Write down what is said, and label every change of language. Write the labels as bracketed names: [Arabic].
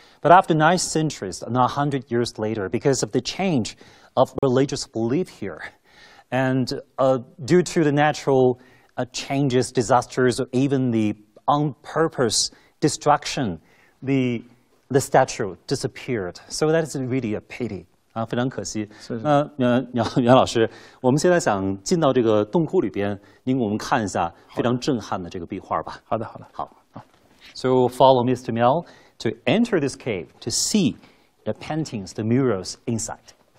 [English] But after 9 centuries, 100 years later, because of the change of religious belief here, and due to the natural changes, disasters, or even the on-purpose destruction, the statue disappeared. So that is really a pity. [Chinese] 非常可惜。袁老师，我们现在想进到这个洞窟里边，您给我们看一下非常震撼的这个壁画吧。好的，好的， [English] 好。So follow Mr. Miao to enter this cave to see the paintings, the murals inside.